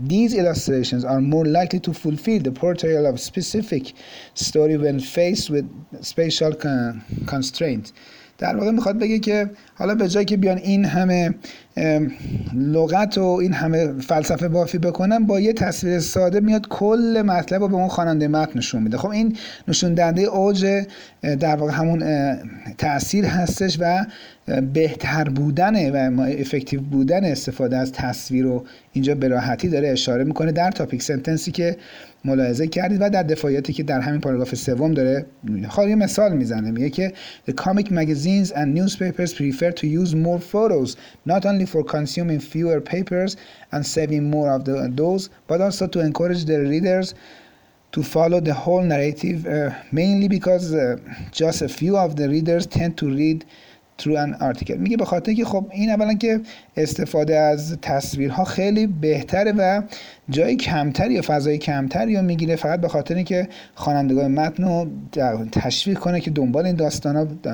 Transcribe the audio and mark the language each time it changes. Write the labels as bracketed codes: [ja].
[en] These illustrations are more likely to fulfill the portrayal of a specific story when faced with spatial constraints. [fa] در واقع میخواد بگه که حالا به جایی که بیان این همه لغت و این همه فلسفه بافی بکنن، با یه تصویر ساده میاد کل مطلب رو به اون خواننده متن نشون میده. خب این نشون دهنده اوج در واقع همون تأثیر هستش و بهتر بودن و افکتیو بودن استفاده از تصویر رو اینجا به راحتی داره اشاره میکنه در تاپیک سنتنسی که ملاحظه کردید و در دفاعیاتی که در همین پاراگراف سوم داره. خب یه مثال میزنه، میگه که [en] the comic magazines and newspapers prefer to use more photos not only for consuming fewer papers and saving more of those but also to encourage their readers to follow the whole narrative mainly because just a few of the readers tend to read through an article. [fa] میگه به خاطر که خب این اولا که استفاده از تصویرها خیلی بهتره و جای کمتری یا فضای کمتری رو میگیره، فقط به خاطر اینکه خوانندگان متن رو تشویق کنه که دنبال این داستانا